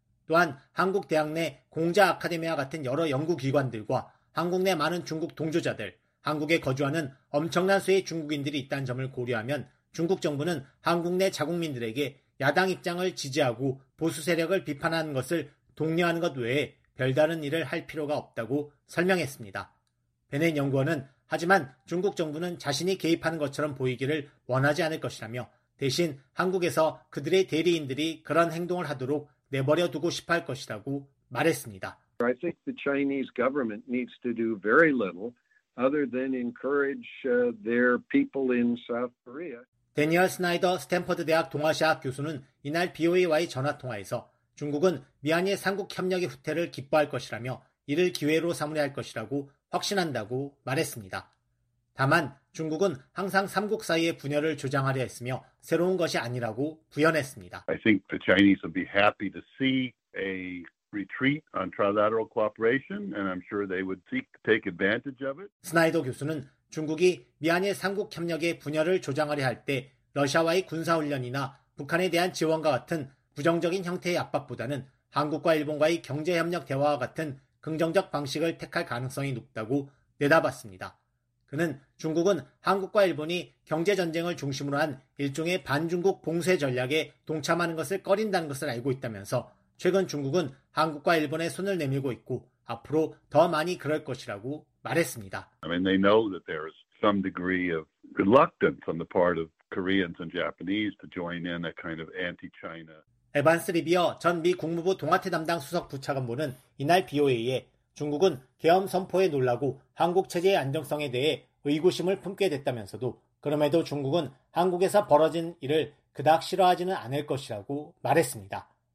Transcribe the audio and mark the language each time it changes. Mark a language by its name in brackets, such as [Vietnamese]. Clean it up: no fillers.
[Korean] 또한 한국 대학 내 공자 아카데미와 같은 여러 연구기관들과 한국 내 많은 중국 동조자들, 한국에 거주하는 엄청난 수의 중국인들이 있다는 점을 고려하면 중국 정부는 한국 내 자국민들에게 야당 입장을 지지하고 보수 세력을 비판하는 것을 독려하는 것 외에 별다른 일을 할 필요가 없다고 설명했습니다. 베넷 연구원은 하지만 중국 정부는 자신이 개입하는 것처럼 보이기를 원하지 않을 것이라며 대신 한국에서 그들의 대리인들이 그런 행동을 하도록 내버려 두고 싶어 할 것이라고 말했습니다. [English] I think the Chinese government needs to do very little other than encourage their people in South Korea. [Korean] 대니얼 스나이더 스탠퍼드 대학 동아시아 교수는 이날 BOA와의 전화통화에서 중국은 미한일 3국협력의 후퇴를 기뻐할 것이라며 이를 기회로 삼으려 할 것이라고 확신한다고 말했습니다. 다만 중국은 항상 3국 사이의 분열을 조장하려 했으며 새로운 것이 아니라고 부연했습니다. [English] I think the Chinese would be happy to see a retreat on trilateral cooperation, and I'm sure they would seek to take advantage of it. [Korean] 스나이더 교수는 중국이 미안의 삼국 협력의 분열을 조장하려 할 때 러시아와의 군사 훈련이나 북한에 대한 지원과 같은 부정적인 형태의 압박보다는 한국과 일본과의 경제 협력 대화와 같은 긍정적 방식을 택할 가능성이 높다고 내다봤습니다. 그는 중국은 한국과 일본이 경제전쟁을 중심으로 한 일종의 반중국 봉쇄 전략에 동참하는 것을 꺼린다는 것을 알고 있다면서 최근 중국은 한국과 일본에 손을 내밀고 있고 앞으로 더 많이 그럴 것이라고 말했습니다. [English] I mean, they know that there is some degree of reluctance on the part of Koreans and Japanese to join in a kind of anti-China. [Korean] 에반스 리비어 전 미 국무부 동아태 담당 수석 부차관보는 이날 BOA에 중국은 계엄 선포에 놀라고 한국 체제의 안정성에 대해 의구심을 품게 됐다면서도 그럼에도 중국은 한국에서 벌어진 일을 그닥 싫어하지는 않을 것이라고 말했습니다.